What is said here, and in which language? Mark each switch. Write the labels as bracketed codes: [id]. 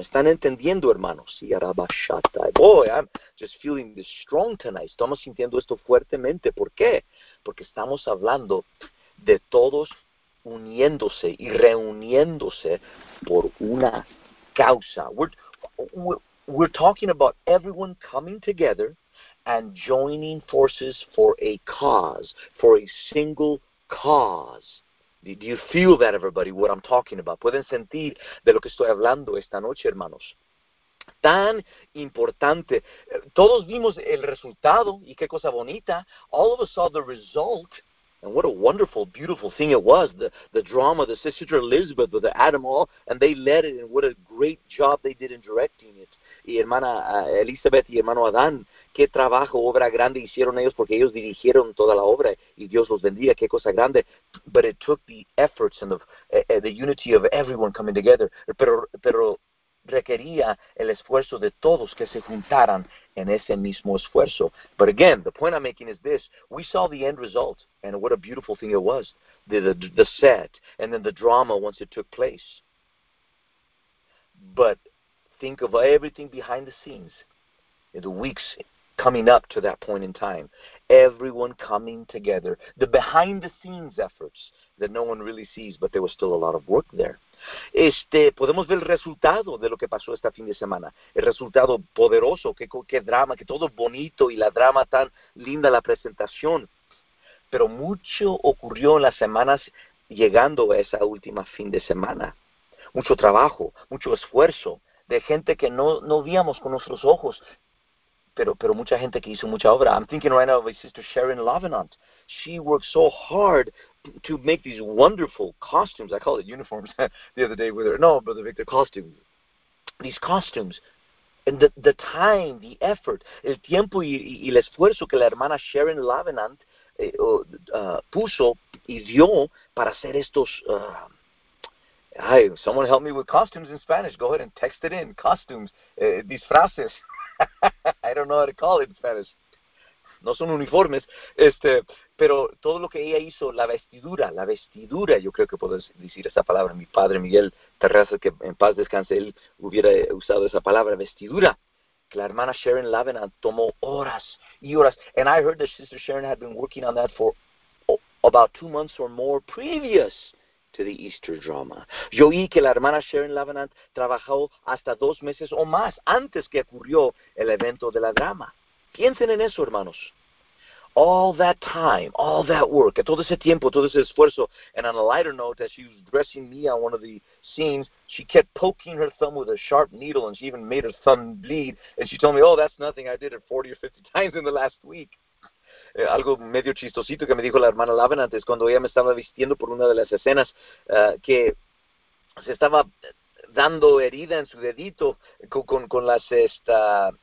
[es] ¿Me están entendiendo, hermanos? [en] Boy, I'm just feeling this strong tonight. [es] Estamos sintiendo esto fuertemente. ¿Por qué? Porque estamos hablando de todos uniéndose y reuniéndose por una causa. [en] We're talking about everyone coming together and joining forces for a cause, for a single cause. Do you feel that, everybody, what I'm talking about? [es] ¿Pueden sentir de lo que estoy hablando esta noche, hermanos? Tan importante. Todos vimos el resultado, y qué cosa bonita. [en] All of us saw the result, and what a wonderful, beautiful thing it was. The drama, the Sister Elizabeth, the Adam all, and they led it, and what a great job they did in directing it. [es] Y hermana Elizabeth y hermano Adán, qué trabajo, obra grande hicieron ellos, porque ellos dirigieron toda la obra y Dios los bendiga, qué cosa grande. [en] But it took the efforts and the unity of everyone coming together. [es] Pero requería el esfuerzo de todos que se juntaran en ese mismo esfuerzo. [en] But again, the point I'm making is this. We saw the end result, and what a beautiful thing it was. The set, and then the drama once it took place. But think of everything behind the scenes, in the weeks coming up to that point in time, everyone coming together, the behind-the-scenes efforts that no one really sees, but there was still a lot of work there. [es] Podemos ver el resultado de lo que pasó este fin de semana, el resultado poderoso, qué drama, que todo bonito y la drama tan linda, la presentación. Pero mucho ocurrió en las semanas llegando a esa última fin de semana. Mucho trabajo, mucho esfuerzo de gente que no veíamos con nuestros ojos, pero mucha gente que hizo mucha obra. [en] I'm thinking right now of my sister Sharon Lavenant. She worked so hard to make these wonderful costumes. I call it uniforms the other day with her. No, Brother Victor, costumes. These costumes. And the time, the effort, [es] el tiempo y el esfuerzo que la hermana Sharon Lavenant puso y dio para hacer estos... [en] Hi, someone help me with costumes in Spanish. Go ahead and text it in. Costumes. Disfraces. I don't know how to call it in Spanish. [es] No son uniformes. Pero todo lo que ella hizo, la vestidura, yo creo que puedo decir esa palabra. Mi padre Miguel Terraza, que en paz descanse, él hubiera usado esa palabra, vestidura. Que la hermana Sharon Lavenant tomó horas y horas. [en] And I heard that Sister Sharon had been working on that for about 2 months or more previous to the Easter drama. [es] Yo oí que la hermana Sharon Lavenant trabajó hasta 2 meses o más antes que ocurrió el evento de la drama. Piensen en eso, hermanos. [en] All that time, all that work, [es] que todo ese tiempo, todo ese esfuerzo. [en] And on a lighter note, as she was dressing me on one of the scenes, she kept poking her thumb with a sharp needle, and she even made her thumb bleed. And she told me, oh, that's nothing, I did it 40 or 50 times in the last week. [es] Algo medio chistosito que me dijo la hermana Laven antes, cuando ella me estaba vistiendo por una de las escenas, que se estaba dando herida en su dedito con las esta...